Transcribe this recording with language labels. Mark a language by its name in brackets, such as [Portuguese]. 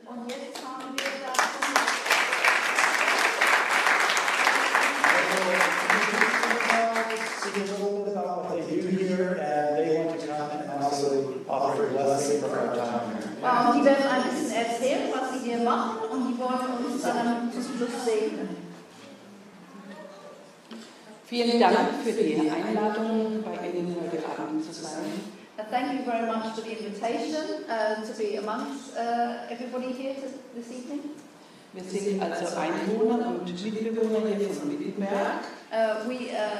[German] Die werden ein bisschen erzählen, was sie hier machen, und die wollen uns dann zum Schluss segnen. Vielen Dank für die Einladung, bei Ihnen heute Abend zu sein. [English] Thank you very much for the invitation to be amongst everybody here this evening. [German] Wir sind also Einwohner und Mitbewohner hier von Wittenberg.